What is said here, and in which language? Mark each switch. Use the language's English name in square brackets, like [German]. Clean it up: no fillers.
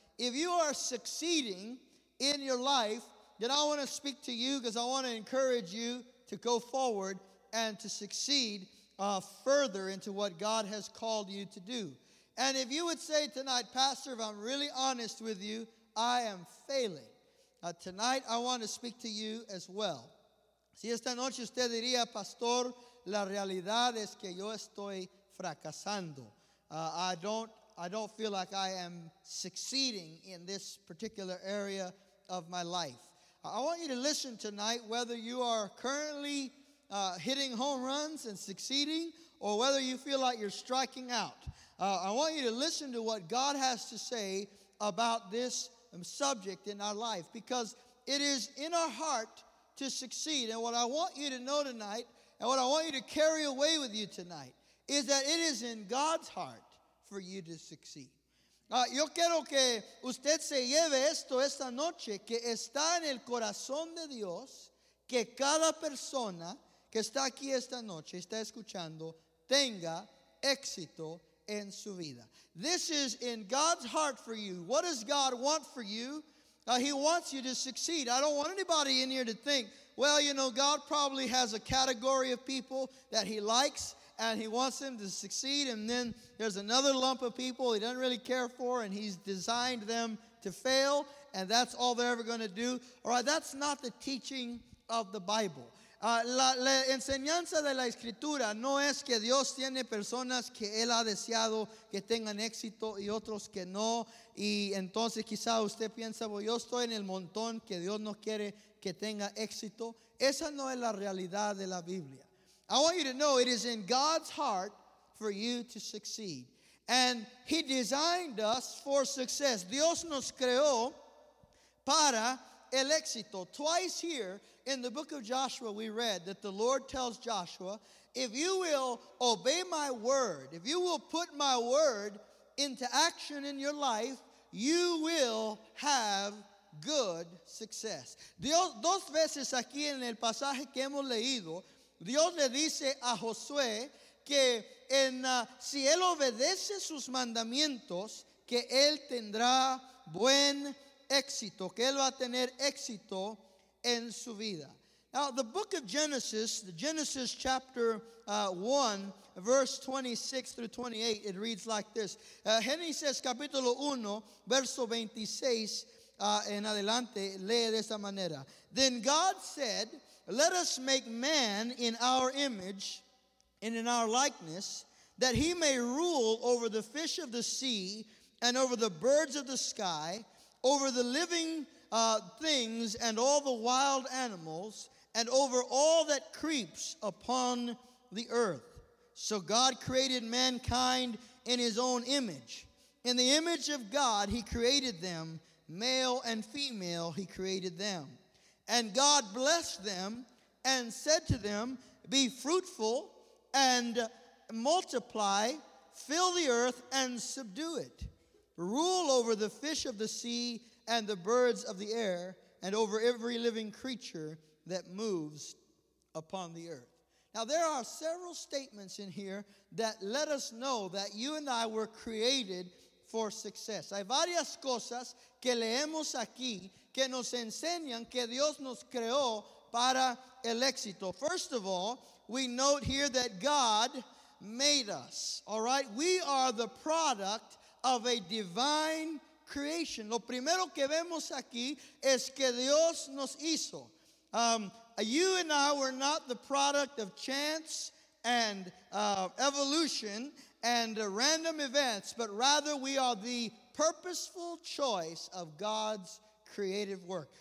[English] If you are succeeding in your life, then I want to speak to you because I want to encourage you to go forward and to succeed further into what God has called you to do. And if you would say tonight, Pastor, if I'm really honest with you, I am failing. Tonight I want to speak to you as well. [Spanish] Si esta noche usted diría, Pastor, la realidad es que yo estoy fracasando. [English] I don't feel like I am succeeding in this particular area of my life. I want you to listen tonight, whether you are currently hitting home runs and succeeding, or whether you feel like you're striking out. I want you to listen to what God has to say about this subject in our life, because it is in our heart to succeed. And what I want you to know tonight, and what I want you to carry away with you tonight, is that it is in God's heart for you to succeed. [Spanish] Yo quiero que usted se lleve esto esta noche, que está en el corazón de Dios, que cada persona que está aquí esta noche, está escuchando, tenga éxito en su vida. [English] This is in God's heart for you. What does God want for you? He wants you to succeed. I don't want anybody in here to think, well, you know, God probably has a category of people that he likes and he wants them to succeed, and then there's another lump of people he doesn't really care for, and he's designed them to fail, and that's all they're ever going to do. All right, that's not the teaching of the Bible. [Spanish] La enseñanza de la Escritura no es que Dios tiene personas que Él ha deseado que tengan éxito y otros que no. Y entonces quizá usted piensa, well, yo estoy en el montón que Dios no quiere que tenga éxito. Esa no es la realidad de la Biblia. [English] I want you to know it is in God's heart for you to succeed. And He designed us for success. [Spanish] Dios nos creó para el éxito. [English] Twice here in the book of Joshua we read that the Lord tells Joshua, if you will obey my word, if you will put my word into action in your life, you will have good success. [Spanish] Dios, dos veces aquí en el pasaje que hemos leído, Dios le dice a Josué que si él obedece sus mandamientos, que él tendrá buen éxito, que él va a tener éxito en su vida. [English] Now, the book of Genesis, the Genesis chapter 1, verse 26 through 28, it reads like this. [Spanish] Génesis capítulo 1, verso 26 en adelante, lee de esta manera. [English] Then God said, let us make man in our image and in our likeness, that he may rule over the fish of the sea and over the birds of the sky, over the living things and all the wild animals, and over all that creeps upon the earth. So God created mankind in his own image. In the image of God, he created them. Male and female, he created them. And God blessed them and said to them, be fruitful and multiply, fill the earth and subdue it. Rule over the fish of the sea and the birds of the air and over every living creature that moves upon the earth. Now, there are several statements in here that let us know that you and I were created for success. [Spanish] Hay varias cosas que leemos aquí que nos enseñan que Dios nos creó para el éxito. [English] First of all, we note here that God made us. All right? We are the product of a divine creation. [Spanish] Lo primero que vemos aquí es que Dios nos hizo. [English] You and I were not the product of chance and evolution and random events, but rather we are the purposeful choice of God's creative work.